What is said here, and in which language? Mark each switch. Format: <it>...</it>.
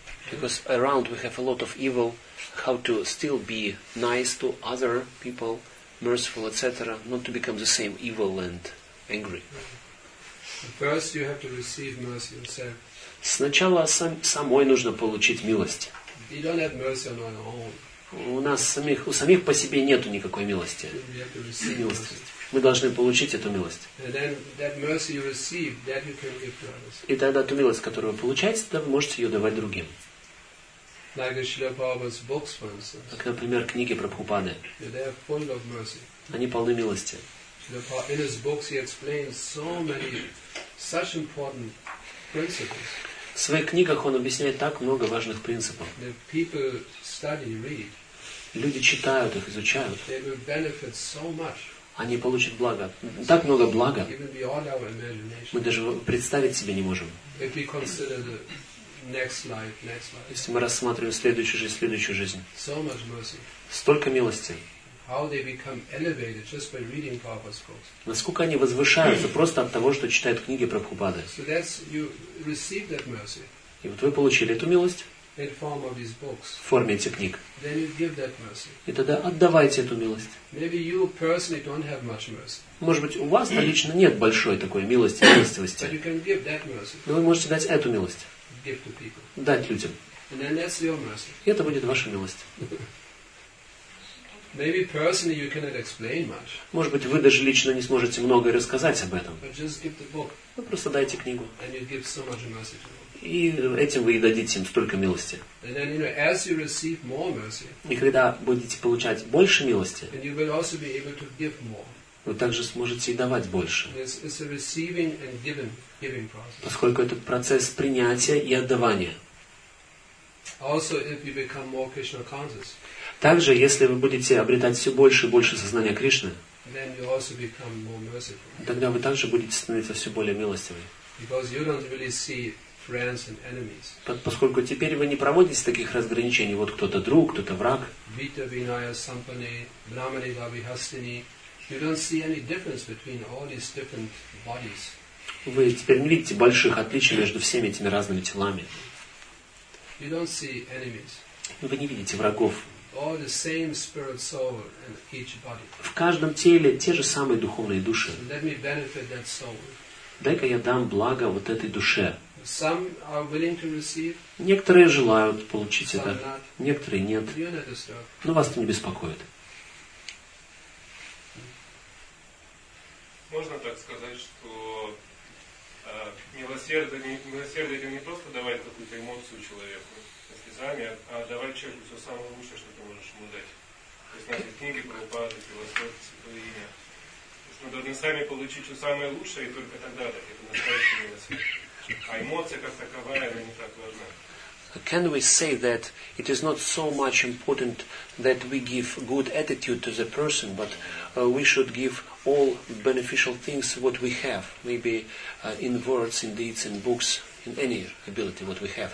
<en>Because around we have a lot of evil, how to still be nice to other people, merciful, etc., not to become the same evil and angry. Mm-hmm. First you have to receive mercy yourself.</en> <ru>Сначала самой нужно получить милость.</ru> <en>We don't have mercy on our own.</en> <ru>У нас самих, у самих по себе нету никакой милости.</ru> <en>We have to receive</en> <ru>милости. Мы должны получить эту милость.</ru> <en>And then that mercy you receive, that you can give to others.</en> <ru>И тогда ту милость, которую вы получаете, вы можете ее давать другим.</ru> <en>Like Srila Prabhupada's books, for instance.</en> <ru>Как, например, книги Прабхупады.</ru> <en>Yeah, they are full of mercy.</en> <ru>Они полны милости.</ru> <en>In his books he explains so many such important principles.</en> <ru>В своих книгах он объясняет так много важных принципов.</ru> <en>That people study, read.</en> <ru>Люди читают их, изучают.</ru> <en>They will benefit so much.</en> <ru>Они получат благо. Так много блага. Мы даже представить себе не можем.</ru> <en>Next life.</en> <ru>Если мы рассматриваем следующую жизнь.</ru> <en>So much mercy.</en> <ru>Столько милости.</ru> <en>How they become elevated just by reading Prabhupada's books.</en> <ru>Насколько они возвышаются просто от того, что читают книги Прабхупады.</ru> <en>So that's, you receive that mercy.</en> <ru>И вот вы получили эту милость.</ru> <en>In form of these books.</en> <ru>В форме этих книг.</ru> <en>Then you give that mercy.</en> <ru>И тогда отдавайте эту милость.</ru> <en>Maybe you personally don't have much mercy.</en> <ru>Может быть, у вас лично нет большой такой милости, милостивости.</ru> <en>But you can give that mercy.</en> <ru>Но вы можете дать эту милость.</ru> <en>Give to people.</en> <ru>Дать людям.</ru> <en>And then that's your mercy.</en> <ru>И это будет ваша милость.</ru> <en>Maybe personally you cannot explain much.</en> <ru>Может быть, вы даже лично не сможете многое рассказать об этом.</ru> <en>But just give the book.</en> <ru>Вы просто дайте книгу.</ru> <en>And you give so much mercy to them.</en> <ru>И этим вы и дадите им столько милости.</ru> <en>And then, you know, as you receive more mercy,</en> <ru>и когда будете получать больше милости,</ru> <en>and you will also be able to give more.</en> <ru>Вы также сможете и давать больше.</ru> <en>It's a receiving and giving. Giving process.</en> <ru>Поскольку это процесс принятия и отдавания.</ru> <en>Also, if you become more Krishna conscious,</en> <ru>также, если вы будете обретать все больше и больше сознания Кришны,</ru> <en>then you also become more merciful.</en> <ru>Тогда вы также будете становиться все более милостивыми.</ru> <en>Because you don't really see friends and enemies.</en> <ru>Поскольку теперь вы не проводите таких разграничений, вот кто-то друг, кто-то враг.</ru> <sa>Vita, Vinaya, Sampani, Brahmani, Vavi, Hastini.</sa> <en>You don't see any difference between all these different bodies.</en> <ru>Вы теперь не видите больших отличий между всеми этими разными телами.</ru> <en>You don't see enemies.</en> <ru>Вы не видите врагов.</ru> <en>All the same spirit soul in each body.</en> <ru>В каждом теле те же самые духовные души.</ru> <en>So let me benefit that soul.</en> <ru>Дай-ка я дам благо вот этой душе.</ru> <en>Some are willing to receive.</en> <ru>Некоторые желают получить</ru> <en>some</en> <ru>это,</ru> <en>not.</en> <ru>Некоторые нет.</ru> <en>You're not disturbed.</en> <ru>Но вас это не беспокоит. Можно так сказать, что милосердие это не просто давать какую-то эмоцию человеку слезами, а давать человеку все самое лучшее, что ты можешь ему дать. То есть наши книги, Прабхупада, философии, святое имя. То есть мы должны сами получить все самое лучшее, и только тогда так это настоящее милосердие. А эмоция как таковая, она не так важна.</ru> <en>Can we say that it is not so much important that we give good attitude to the person, but we should give all beneficial things what we have, maybe in words, in deeds, in books, in any ability what we have.</en>